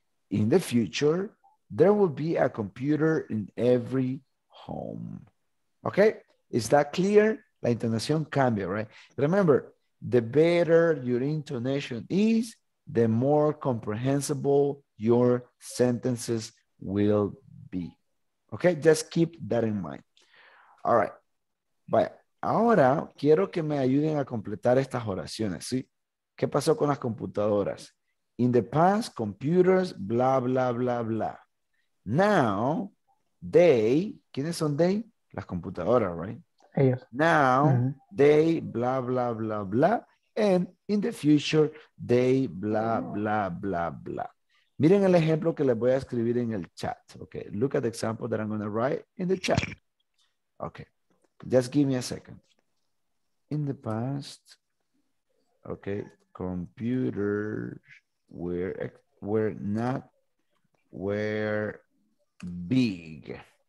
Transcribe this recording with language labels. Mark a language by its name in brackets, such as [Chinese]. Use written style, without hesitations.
[English] In the future, there will be a computer in every home. Okay? Is that clear? [Spanish] La intonación cambia, [English] right? Remember, the better your intonation is, the more comprehensible your sentences will be. Okay? Just keep that in mind. All right. Vaya. [Spanish] Ahora quiero que me ayuden a completar estas oraciones, ¿sí? ¿Qué pasó con las computadoras? [English] In the past, computers, blah, blah, blah, blah. Now, they, [Spanish] ¿quiénes son [English] they? [Spanish] Las computadoras, right? Ellos. [English] Now, they, blah, blah, blah, blah. And in the future, they, blah, blah, blah, blah. [Spanish] Miren el ejemplo que les voy a escribir en el chat. [English] Okay, look at the example that I'm going to write in the chat. Okay, just give me a second. In the past, okay, computers were big.